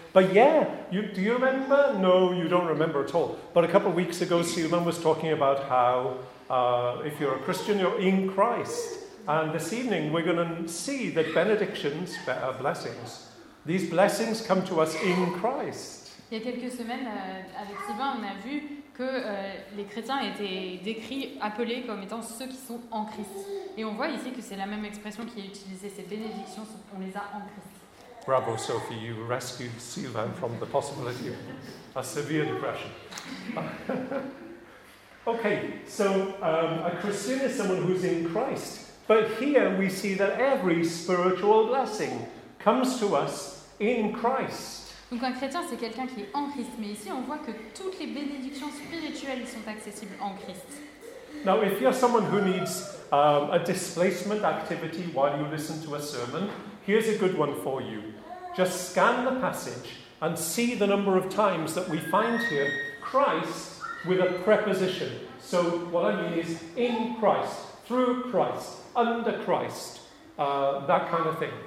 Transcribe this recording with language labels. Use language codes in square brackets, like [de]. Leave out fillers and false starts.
[en] But yeah, do you remember? No, you don't remember at all. But a couple of weeks ago, Sylvain was talking about how if you're a Christian, you're in Christ. And this evening, we're going to see that benedictions, blessings, these blessings come to us in Christ. [fr] Il y a quelques semaines, avec Sylvain, on a vu que les chrétiens étaient décrits, appelés comme étant ceux qui sont en Christ. Et on voit ici que c'est la même expression qui est utilisée, ces bénédictions, on les a en Christ. [en] Bravo, Sophie, you rescued Sylvain from the possibility of a severe depression. Okay, so a Christian is someone who's in Christ. But here we see that every spiritual blessing comes to us in Christ. [fr] Donc un chrétien, c'est quelqu'un qui est en Christ. Mais ici, on voit que toutes les bénédictions spirituelles sont accessibles en Christ. [en] Now, if you're someone who needs a displacement activity while you listen to a sermon, here's a good one for you. Just scan the passage and see the number of times that we find here Christ with a preposition. So what I mean is in Christ, through Christ, under Christ, that kind of thing.